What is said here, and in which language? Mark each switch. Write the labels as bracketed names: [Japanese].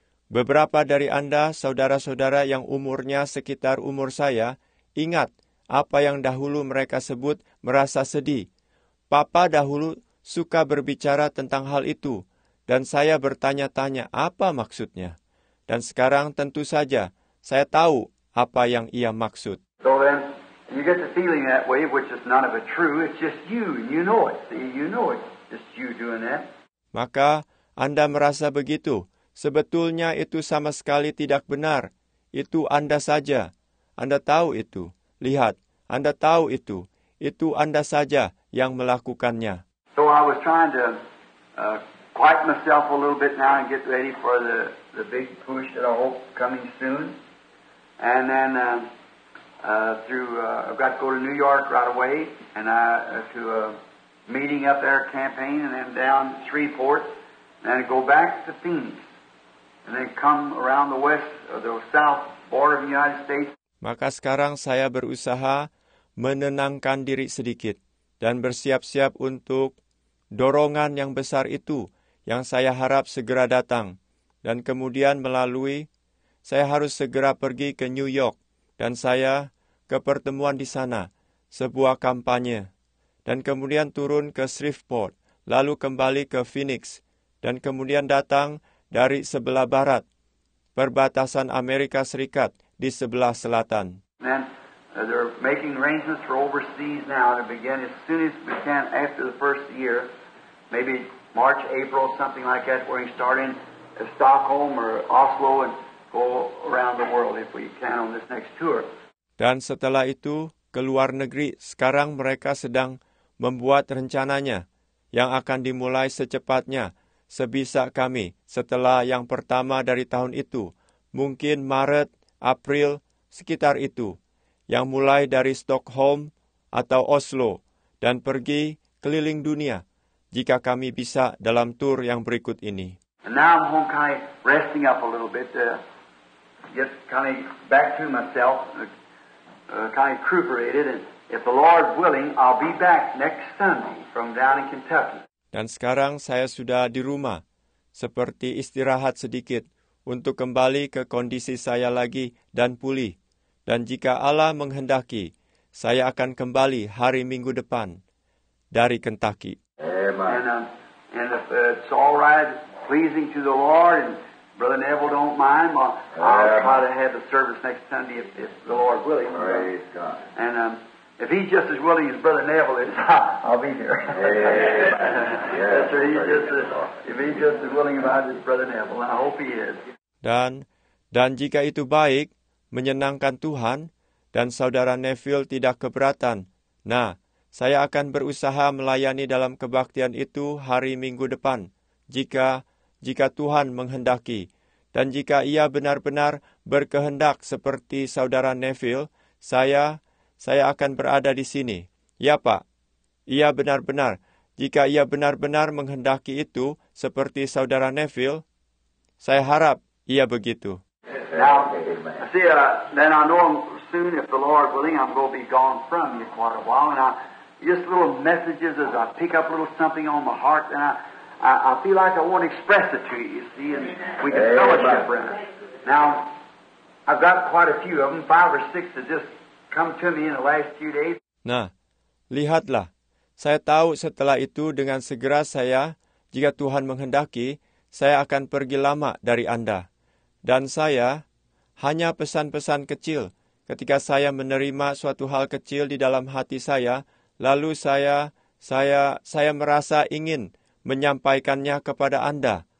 [Indonesian] Beberapa dari Anda, saudara-saudara yang umurnya sekitar umur saya, ingat apa yang dahulu mereka sebut merasa sedih. Papa dahulu suka berbicara tentang hal itu, dan saya bertanya-tanya apa maksudnya. Dan sekarang tentu saja saya tahu apa yang ia maksud. [English] So then, you get the feeling that way, which is none of it true. It's just you, and you know it. See, you know it. Just you doing that. [Indonesian] Maka Anda merasa begitu. Sebetulnya itu sama sekali tidak benar. Itu Anda saja. Anda tahu itu. Lihat, Anda tahu itu. Itu Anda saja yang melakukannya. [English] So I was trying to quiet myself a little bit now and get ready for the big push that I hope coming soon. And then I've got to go to New York right away, and I to a meeting up there, campaign, and then down Shreveport, and then go back to Phoenix, and then come around the west or the south border of the United States. [Indonesian] Maka sekarang saya berusaha menenangkan diri sedikit dan bersiap-siap untuk dorongan yang besar itu yang saya harap segera datang. Dan kemudian melalui, saya harus segera pergi ke New York dan saya ke pertemuan di sana, sebuah kampanye. Dan kemudian turun ke Shreveport, lalu kembali ke Phoenix, dan kemudian datang dari sebelah barat, perbatasan Amerika Serikat di sebelah selatan. [English] They're making arrangements for overseas now to begin as soon as we can after the first year, maybe March, April, something like that, where we start in Stockholm or Oslo and go around the world if we can on this next tour. [Indonesian] Dan setelah itu, ke luar negeri, sekarang mereka sedang membuat rencananya yang akan dimulai secepatnya, sebisa kami, setelah yang pertama dari tahun itu, mungkin Maret, April, sekitar itu. Yang mulai dari Stockholm atau Oslo dan pergi keliling dunia jika kami bisa dalam tur yang berikut ini. [English] And now I'm home kind of resting up a little bit to get kind of back to myself, kind of recuperated, and if the Lord willing, I'll be back next Sunday from down in Kentucky. [Indonesian] Dan sekarang saya sudah di rumah, seperti istirahat sedikit untuk kembali ke kondisi saya lagi dan pulih. Dan jika Allah menghendaki, saya akan kembali hari Minggu depan dari Kentucky. [English] Amen. And if it's all right, pleasing to the Lord, and Brother Neville don't mind, I'll try to have the service next Sunday if the Lord willing. Praise God. And if he's just as willing as Brother Neville is, I'll be here. Amen. Yes, sir, if he's just as willing about his Brother Neville, and I hope he is. [Indonesian] Dan jika itu baik, menyenangkan Tuhan, dan Saudara Neville tidak keberatan. Nah, saya akan berusaha melayani dalam kebaktian itu hari Minggu depan, jika Tuhan menghendaki. Dan jika ia benar-benar berkehendak seperti Saudara Neville, saya akan berada di sini. Ya, Pak. Ia benar-benar. Jika ia benar-benar menghendaki itu seperti Saudara Neville, saya harap ia begitu. [English] Now, see, then I know soon, if the Lord willing, I'm going to be gone from you quite a while. And just little messages as I pick up a little something on my heart, and I feel like I want to express it to you, you see, and we can fellowship around it. Now, I've got quite a few of them, five or six that just come to me in the last few days. [Indonesian] Nah, lihatlah. Saya tahu setelah itu dengan segera saya, jika Tuhan menghendaki, saya akan pergi lama dari Anda. Dan saya, hanya pesan-pesan kecil ketika saya menerima suatu hal kecil di dalam hati saya, lalu saya merasa ingin menyampaikannya kepada Anda.